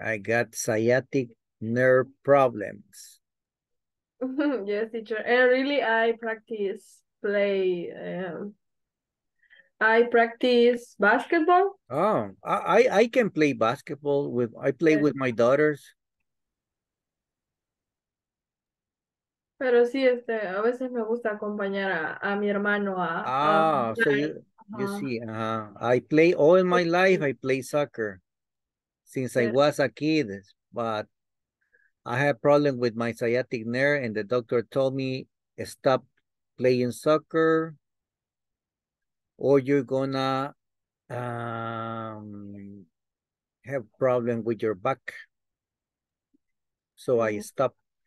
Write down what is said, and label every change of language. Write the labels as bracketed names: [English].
[English] I got sciatic nerve problems. Yes, teacher. And really, I practice basketball. Oh, I can play basketball with, I play yes. with my daughters. [Spanish] Pero sí, a veces me gusta acompañar a mi hermano [English] Ah, so you see, I play all my life, I play soccer since I was a kid, but I had problem with my sciatic nerve and the doctor told me stop playing soccer or you're gonna have problem with your back. So I stopped.